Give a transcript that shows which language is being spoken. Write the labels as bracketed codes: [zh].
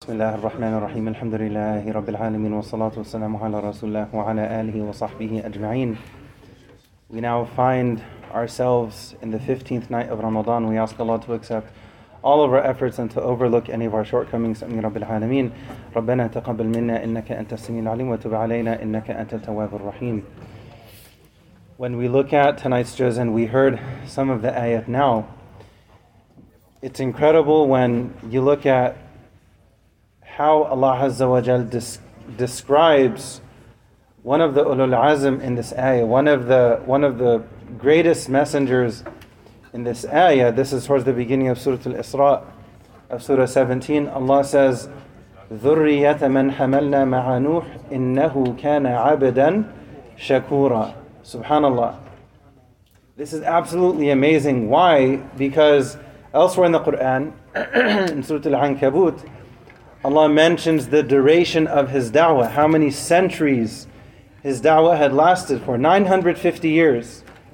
[ar] بسم الله الرحمن الرحيم الحمد لله رب العالمين والصلاة والسلام على رسول الله وعلى آله وصحبه أجمعين. [en] We now find ourselves in the 15th night of Ramadan. We ask Allah to accept all of our efforts and to overlook any of our shortcomings. [ar] أمين رب العالمين. ربنا تقبل منا إنك أنت السميع العليم وتب علينا إنك أنت التواب الرحيم. [en] When we look at tonight's juzan, we heard some of the ayat now. It's incredible when you look at how Allah Azza wa Jal describes one of the ulul azm in this ayah, one of the greatest messengers in this ayah. This is towards the beginning of Surah Al-Isra, of Surah 17. Allah says, [ar] ذُرِّيَّةَ مَنْ حَمَلْنَا مَعَ نُوحٍ إِنَّهُ كَانَ عَبَدًا شَكُورًا. Subhanallah. [en] This is absolutely amazing. Why? Because elsewhere in the Quran, in Surah Al-Ankabut, Allah mentions the duration of his da'wah, how many centuries his da'wah had lasted for, 950 years.